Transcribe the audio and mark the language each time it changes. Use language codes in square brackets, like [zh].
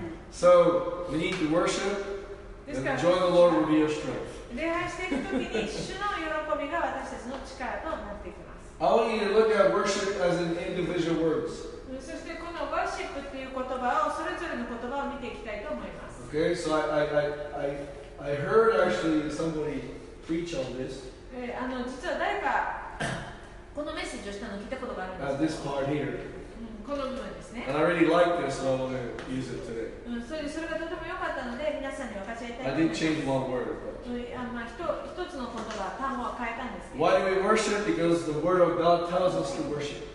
[en] So, we need to worship and the joy of the Lord will be our strength. [ja] 礼拝していくときに主の喜びが私たちの力となっていきます。 [en] I want you to look at worship as an individual words. [ja] そしてこのワーシップっていう言葉をそれぞれの言葉を見ていきたいと思います。 [en] Okay, so I heard actually somebody preach on this. [ja] 実は誰かこのメッセージをしたのを聞いたことがあるんです。 [en] This part here. [ja] この部分ですね。 [en] And I really like this, so I want to use it today. [ja] それがとても良かったので、皆さんに分かち合いたいと思います [en] 。I did change one word. [ja] 一つの言葉、単語は変えたんですけど。 [en] Why do we worship? Because the word of God tells us to worship.